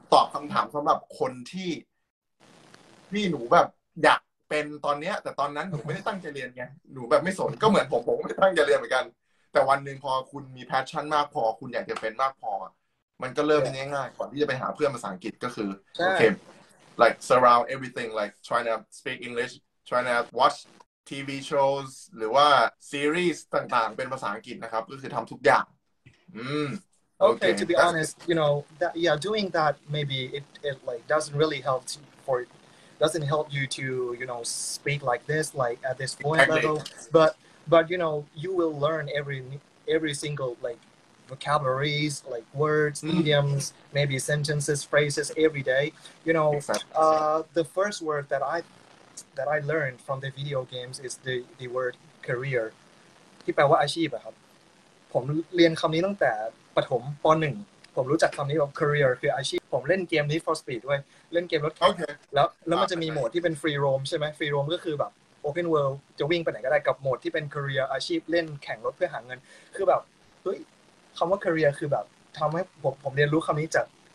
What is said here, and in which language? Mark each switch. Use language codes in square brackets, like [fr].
[th] ตอบคําถามสําหรับคนที่พี่หนูแบบอยากเป็นตอนเนี้ยแต่ตอนนั้นหนูไม่ได้ตั้งใจเรียนไงหนูแบบไม่สนก็เหมือนผมไม่ตั้งใจเรียนเหมือนกันแต่วันหนึ่งพอคุณมีแพชชั่นมากพอคุณอยากจะเป็นมากพอมันก็เริ่มง่ายง่ายก่อนที่จะไปหาเพื่อนภาษาอังกฤษก็คือ ใช่ [en] โอเค like surround everything like trying to speak English trying to watch TV shows [th] หรือว่าซีรีส์ต่างๆเป็นภาษาอังกฤษนะครับก็คือทำทุกอย่าง [en] Okay, to be honest, you know, that, yeah, doing that, maybe it like doesn't really help to, for, doesn't help you to, you know, speak like this, like at this point level, but, you know, you will learn every single, like, vocabularies, like words, idioms, maybe sentences, phrases every day, you know, the first word that I learned from the video games is the word career, [th] ที่แปลว่าอาชีพอะครับผมเรียนคำนี้ตั้งแต่ปฐมป. หนึ่งผมรู้จักคำนี้ว่า career คืออาชีพผมเล่นเกม Need for Speed ด้วยเล่นเกมรถแข่ง okay. แล้วมันจะมีโหมดที่เป็น free roam ใช่ไหม free roam ก็คือแบบ open world จะวิ่งไปไหนก็ได้กับโหมดที่เป็น career อาชีพเล่นแข่งรถเพื่อหาเงินคือแบบเฮ้ยคำว่า career คือแบบทำให้ผมเรียนรู้คำนี้จาก